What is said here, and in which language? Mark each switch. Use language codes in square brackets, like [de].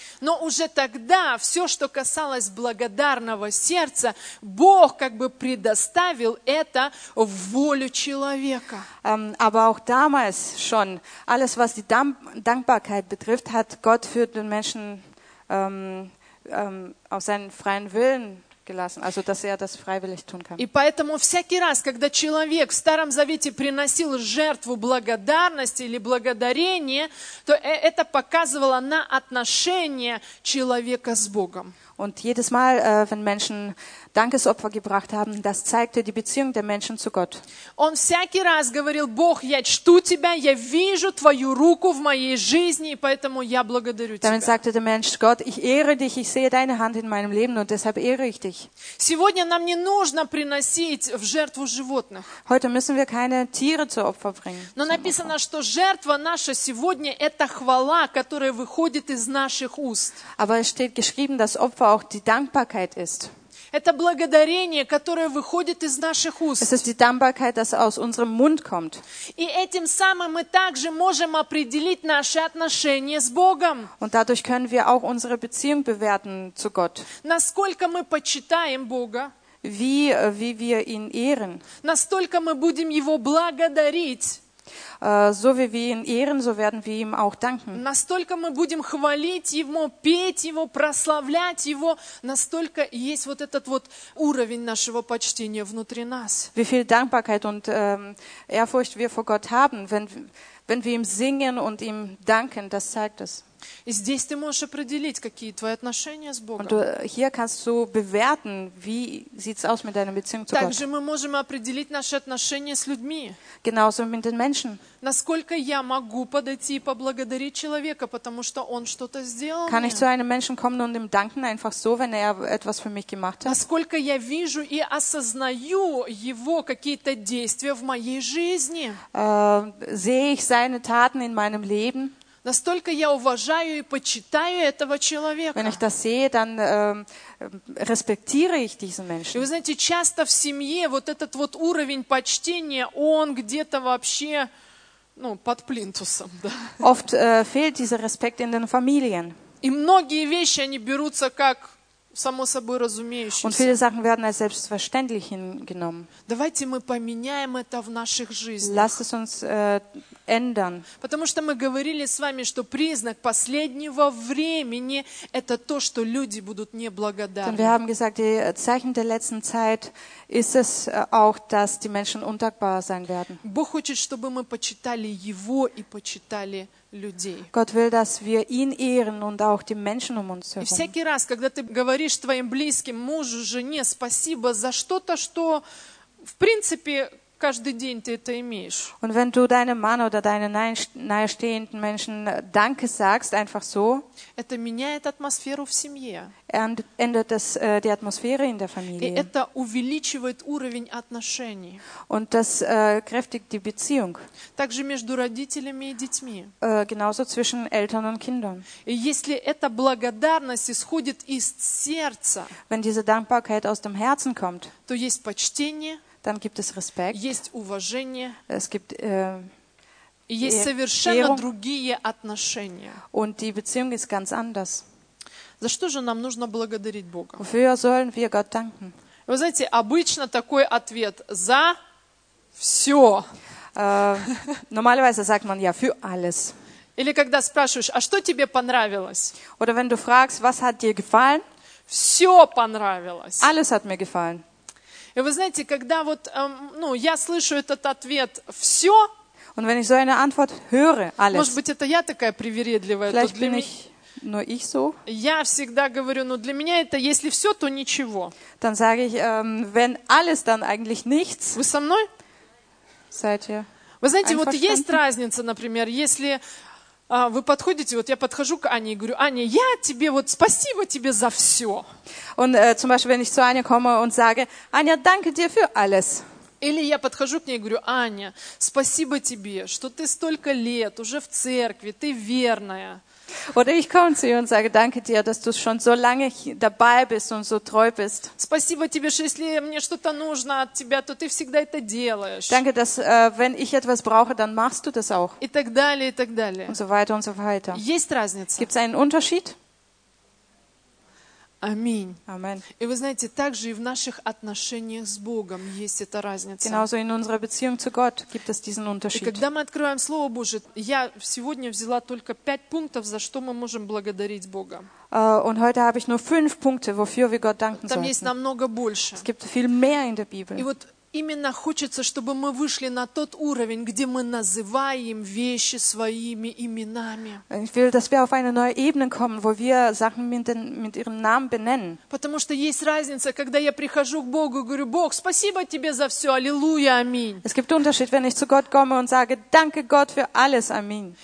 [ru] Но уже тогда все, что касалось благодарного сердца, Бог как бы предоставил это в волю человека. [de] Aber auch damals schon, alles was die Dankbarkeit betrifft, hat Gott für den Menschen auf seinen freien Willen gelassen, also dass er das freiwillig tun kann. [ru] И поэтому всякий раз, когда человек в Старом Завете приносил жертву благодарности или благодарения, то это показывало на отношение человека с Богом. [de] Und jedes Mal, wenn Menschen Dankesopfer gebracht haben, das zeigte die Beziehung der Menschen zu Gott. [ru] Он всякий раз говорил: Бог, я чту тебя, я вижу твою руку в моей жизни, и поэтому я благодарю тебя. [de] Damit sagte der Mensch: Gott, ich ehre dich, ich sehe deine Hand in meinem Leben und deshalb ehre ich dich. [ru] Сегодня нам не нужно приносить в жертву животных. [de] Heute müssen wir keine Tiere zu Opfer bringen. [ru] Но написано, что жертва наша сегодня это хвала, которая выходит из наших уст. [de] Aber es steht geschrieben, dass Opfer auch die Dankbarkeit ist. [ru] Это благодарение, которое выходит из наших уст. [de] Es ist die Dankbarkeit, das aus unserem Mund kommt. [ru] И этим самым мы также можем определить наши отношения с Богом. [de] Und dadurch können wir auch unsere Beziehung bewerten zu Gott. [ru] Насколько мы почитаем Бога? [de] Wie wir ihn ehren? [ru] Настолько мы будем его благодарить? [de] So wie wir ihn ehren, so werden wir ihm auch danken. [ru] Настолько мы будем хвалить его, петь его, прославлять его, настолько есть вот этот вот уровень нашего почтения внутри нас. [de] Wie viel Dankbarkeit und Ehrfurcht wir vor Gott haben, wenn wir ihm singen und ihm danken, das zeigt es. [ru] И здесь ты можешь определить, какие твои отношения с Богом. [de] Und hier kannst du bewerten, wie sieht's aus mit deiner Beziehung zu Gott. [ru] Также мы можем определить наши отношения с людьми. [de] Genauso mit den Menschen. [ru] Насколько я могу подойти и поблагодарить человека, потому что он что-то сделал мне? [de] Kann ich zu einem Menschen kommen und ihm danken, einfach so, wenn er etwas für mich gemacht hat? [ru] Насколько я вижу и осознаю его какие-то действия в моей жизни? [de] Sehe ich seine Taten in meinem Leben? [ru] Настолько я уважаю и почитаю этого человека. [de] Wenn ich das sehe, dann respektiere ich diesen Menschen. [ru] И вы знаете, часто в семье вот этот вот уровень почтения, он где-то вообще, ну, под плинтусом, да. [de] Oft fehlt dieser Respekt in den Familien. [ru] И многие вещи, они берутся как само собой разумеющиеся. [de] Und viele Sachen werden als selbstverständlich hingenommen. [ru] Давайте мы поменяем это в наших жизнях. [de] Lasst es uns ändern. [ru] Потому что мы говорили с вами, что признак последнего времени это то, что люди будут неблагодарны. [de] Denn wir haben gesagt, die Zeichen der letzten Zeit ist es auch, dass die Menschen undankbar sein werden. [ru] Бог хочет, чтобы мы почитали Его и почитали людей. [de] Gott will, dass wir ihn ehren und auch die Menschen um uns hören. [ru] И всякий раз, когда ты говоришь твоим близким, мужу, жене, спасибо за что-то, что в принципе каждый день ты это имеешь. [de] Und wenn du deinem Mann oder deinen nahestehenden Menschen Danke sagst, einfach so, [ru] это меняет атмосферу в семье. [de] Ändert das die Atmosphäre in der Familie. [ru] И это увеличивает уровень отношений. [de] Und das kräftigt die Beziehung. [ru] Также между родителями и детьми. [de] Genauso zwischen Eltern und Kindern. [ru] И если эта благодарность исходит из сердца, [de] wenn diese Dankbarkeit aus dem Herzen kommt, [ru] то есть почтение. [de] Dann gibt es Respekt. [ru] Есть уважение. [de] Es gibt, [ru] есть совершенно Ehrung. Другие отношения. [de] Und die Beziehung ist ganz anders. [ru] За что же нам нужно благодарить Бога? [de] Wofür sollen wir Gott danken? [ru] Вы знаете, обычно такой ответ за все. [de] Normalerweise sagt man ja für alles. [ru] Или когда спрашиваешь, а что тебе понравилось? [de] Oder wenn du fragst, was hat dir gefallen? [ru] Все понравилось. [de] Alles hat mir gefallen. [ru] И вы знаете, когда вот, ну, я слышу этот ответ, все. [de] Und wenn ich so eine Antwort höre, alles. [ru] Может быть, это я такая привередливая. [de] Vielleicht bin ich nur ich so. [ru] Я всегда говорю, ну, для меня это, если все, то ничего. [de] Dann sage ich, wenn alles, dann eigentlich nichts. [ru] Вы со мной? [de] Seid ihr? [ru] Вы знаете, вот есть разница, например, если вы подходите, вот я подхожу к Ане и говорю, Аня, я тебе, вот спасибо тебе за все. [de] Und zum Beispiel, wenn ich zu Ане komme und sage, Аня, danke dir für alles. [ru] Или я подхожу к ней и говорю, Аня, спасибо тебе, что ты столько лет уже в церкви, ты верная. [de] Oder ich komme zu ihr und sage, danke dir, dass du schon so lange dabei bist und so treu bist. [ru] Спасибо тебе, что если мне что-то нужно от тебя, то ты всегда это делаешь. [de] Danke, dass wenn ich etwas brauche, dann machst du das auch. [ru] И так далее, и так далее. [de] Und so weiter und so weiter. [ru] Есть разница? [de] Gibt's einen Unterschied? [ru] Аминь. [de] Amen. [ru] И вы знаете, также и в наших отношениях с Богом есть эта разница. [de] Genauso in unserer Beziehung zu Gott gibt es diesen Unterschied. [ru] И когда мы открываем Слово Божие, я сегодня взяла только 5 пунктов, за что мы можем благодарить Бога. [de] Und heute habe ich nur 5 Punkte, wofür wir Gott danken sollten. [ru] Там есть намного больше. [de] Es gibt viel mehr in der Bibel. [ru] И вот именно хочется, чтобы мы вышли на тот уровень, где мы называем вещи своими именами. [de] Ich will, dass wir auf eine neue Ebene kommen, wo wir Sachen mit ihren Namen benennen. [ru] Потому что есть разница, когда я прихожу к Богу и говорю, Бог, спасибо тебе за все, аллилуйя, аминь. [de] Es gibt Unterschied, wenn ich zu Gott komme und sage, danke Gott für alles, аминь.